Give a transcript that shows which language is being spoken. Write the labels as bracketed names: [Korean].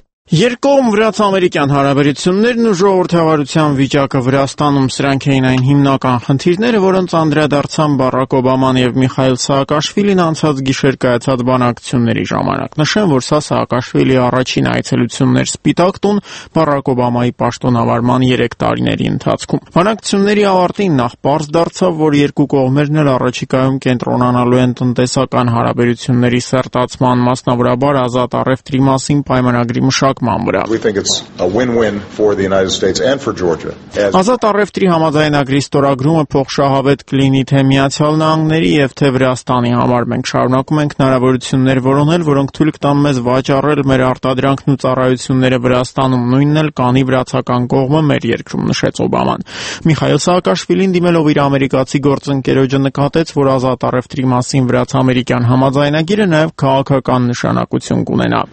[Armenian] Երկկողմ վրաց-ամերիկյան հարաբերություններն ու ժողովրդավարության վիճակը Վրաստանում սրանք էին այն հիմնական խնդիրները, որոնց անդրադարձան Բարակ Օբաման և Միխայել Սահակաշվիլին անցած գիշեր կայացած բանակցությունների ժամանակ։ Նշեմ, որ սա Սահակաշվիլի առաջին այցելությունն էր Սպիտակ տուն Բարակ Օբամայի պաշտոնավարման 3 տարիների ընթացքում։ Բանակցությունների ավարտին նախ պարզ դարձավ, որ երկու կողմերն էլ առաջիկայում կենտրոնանալու են տնտեսական հարաբերությունների սերտացման, մասնավորաբար ազատ առևտրի մասին պայմանագրի մշակման վրա։ [English] We think it's a win-win for the United States and for Georgia. [Armenian] Ազատ առևտրի համաձայնագրի ստորագրումը փոխշահավետ կլինի թե Միացյալ Նահանգների և թե Վրաստանի համար։ Մենք շարունակում ենք հնարավորություններ որոնել, որոնք թույլ կտան մեզ վաճառել մեր արտադրանքն ու ծառայությունները Վրաստանում, նույնն էլ կանի վրացական կողմը մեր երկրում, նշեց Օբաման։ Միխայել Սահակաշվիլին դիմելով իր ամերիկացի գործընկերոջը նկատեց, որ ազատ առևտրի մասին վրաց-ամերիկյան համաձայնագիրը նաև քաղաքական նշանակություն կունենա։